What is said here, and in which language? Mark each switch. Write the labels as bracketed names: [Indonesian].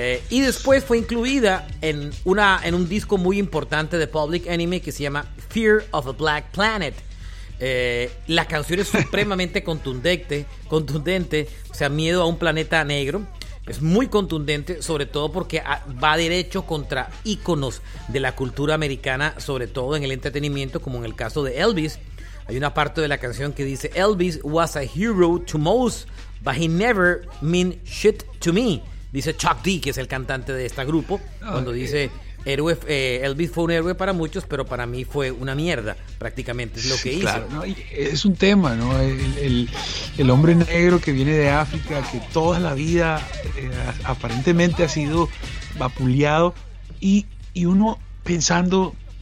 [Spanish] Y después fue incluida en un disco muy importante de Public Enemy que se llama Fear of a Black Planet. La canción es supremamente contundente, o sea, miedo a un planeta negro. Es muy contundente, sobre todo porque va derecho contra íconos de la cultura americana, sobre todo en el entretenimiento, como en el caso de Elvis. Hay una parte de la canción que dice: [English] Elvis was a hero to most, but he never mean shit to me. [Spanish] Dice Chuck D, que es el cantante de este grupo, cuando dice: Elvis fue un héroe para muchos, pero para mí fue una mierda, prácticamente es lo que hizo. Claro, ¿no? Es un tema, ¿no? El hombre negro que viene de África, que toda la vida aparentemente ha sido vapuleado, y uno pensando